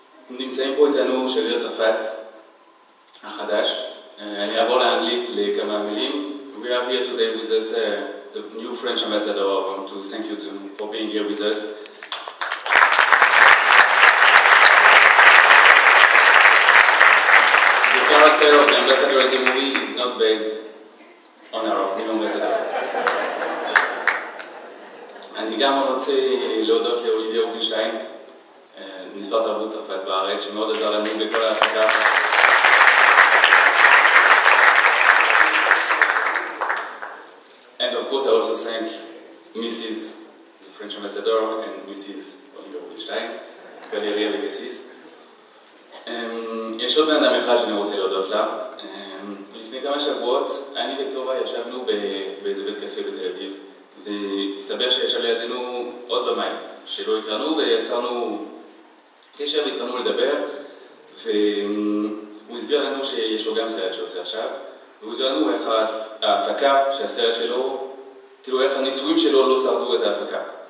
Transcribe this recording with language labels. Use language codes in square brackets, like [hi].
[he] נמצאים פה איתנו שגריר צרפת החדש. אני אעבור לאנגלית לכמה מילים. [en] We are here today with us, the new French ambassador. I want to thank you for being here with us. The character of the ambassador in the movie is not based on our new ambassador. [he] אני גם רוצה להודות לאולידיה אוגלשטיין, מספר תרבות צרפת בארץ, שמאוד עזר לנו בכל ההפקה. [en] And of course I also thank Mrs. the French ambassador and Mrs. [he] אולידיה אוגלשטיין, גלריה לגסיס. יש עוד בן אדם אחד שאני רוצה להודות לה. לפני כמה שבועות אני וטובה ישבנו באיזה בית קפה בתל אביב, והסתבר שיש על ידינו עוד במאי שלא הכרנו, ויצרנו קשר והתחלנו לדבר, והוא הסביר לנו שיש לו גם סרט שיוצא עכשיו, והוא הסביר לנו איך ההפקה שהסרט שלו, כאילו איך הניסויים שלו לא שרדו את ההפקה.